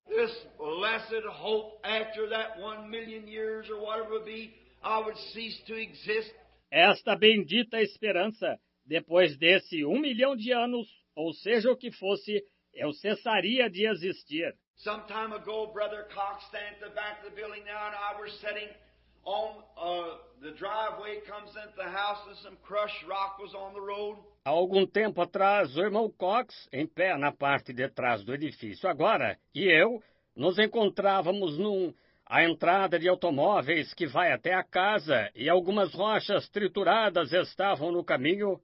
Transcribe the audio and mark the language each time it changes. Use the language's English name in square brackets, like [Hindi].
[English] This blessed hope after that 1 million years or whatever it be, I would cease to exist. [Portuguese] Esta bendita esperança, depois desse 1 milhão de anos, ou seja o que fosse, eu cessaria de existir. [English] Some time ago, Brother Cox stand at the back of the building now, and I were sitting on the driveway comes into the house, and some crushed rock was on the road. [Portuguese] Há algum tempo atrás, o irmão Cox, em pé na parte de trás do edifício agora, e eu, nos encontrávamos à entrada de automóveis que vai até a casa, e algumas rochas trituradas estavam no caminho.